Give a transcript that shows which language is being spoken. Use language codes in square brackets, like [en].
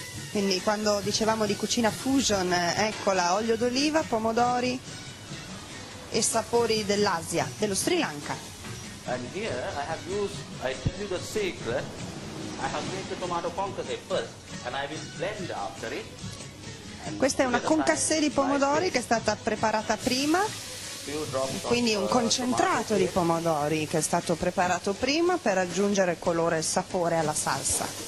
[it] Quindi quando dicevamo di cucina fusion, eccola, olio d'oliva, pomodori e sapori dell'Asia, dello Sri Lanka. [en] And here I have used, I tell you the secret, I have made the tomato concasse first and I will blend after it. [it] Questa è una concassè di pomodori che è stata preparata prima, quindi un concentrato di pomodori che è stato preparato prima per aggiungere colore e sapore alla salsa.